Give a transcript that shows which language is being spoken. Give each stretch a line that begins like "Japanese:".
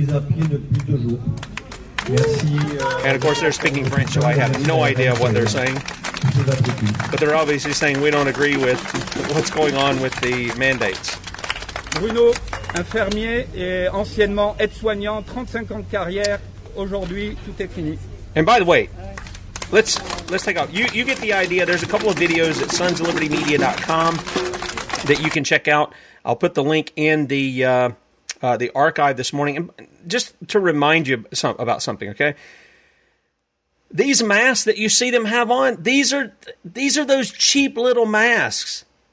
English: And of course they're speaking French, so I have no idea what they're saying. But they're obviously saying we don't agree with what's going on with the mandates.
French: Bruno, infirmier et anciennement aide-soignant, 35 ans de carrière, aujourd'hui tout est fini.
English: And by the way, let's take off. You get the idea. There's a couple of videos at sonsoflibertymedia.com that you can check out. I'll put the link in the archive this morning. And just to remind you about something, okay? These masks that you see them have on, these are those cheap little masks.